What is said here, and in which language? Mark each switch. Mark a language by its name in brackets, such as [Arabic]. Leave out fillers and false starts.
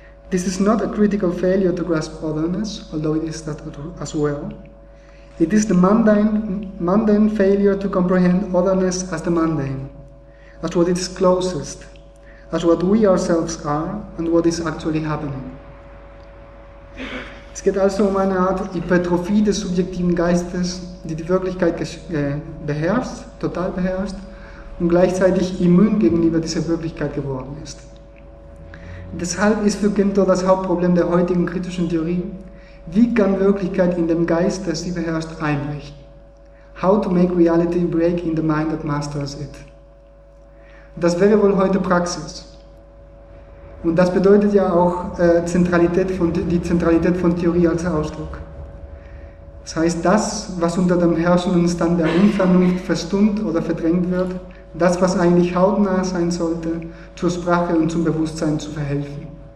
[English] This is not a critical failure to grasp otherness, although it is that as well. It is the mundane failure to comprehend otherness as the mundane, as what is closest, as what we ourselves are, and what is actually happening." [German] Es geht also um eine Art Hypertrophie des subjektiven Geistes, die die Wirklichkeit beherrscht, total beherrscht und gleichzeitig immun gegenüber dieser Wirklichkeit geworden ist. Deshalb ist für Günther das Hauptproblem der heutigen kritischen Theorie, wie kann Wirklichkeit in dem Geist, das sie beherrscht, einbrechen? [English] How to make reality break in the mind that masters it? [German] Das wäre wohl heute Praxis. Und das bedeutet ja auch die Zentralität von Theorie als Ausdruck. Das heißt, das, was unter dem herrschenden Stand der Unvernunft verstummt oder verdrängt wird, das, was eigentlich hautnah sein sollte, zur Sprache und zum Bewusstsein zu verhelfen.